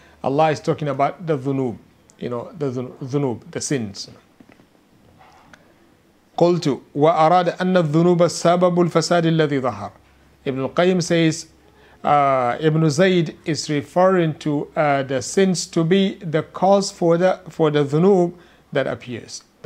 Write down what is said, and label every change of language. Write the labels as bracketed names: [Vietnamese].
[English] Allah is talking about the dhunub, the dhunub, the sins. [Arabic] قلت وأراد أن الذنوب سبب الفساد الذي ظهر. [English] Ibn Qayyim says Ibn Zayd is referring to the sins to be the cause for the dhunub that appears.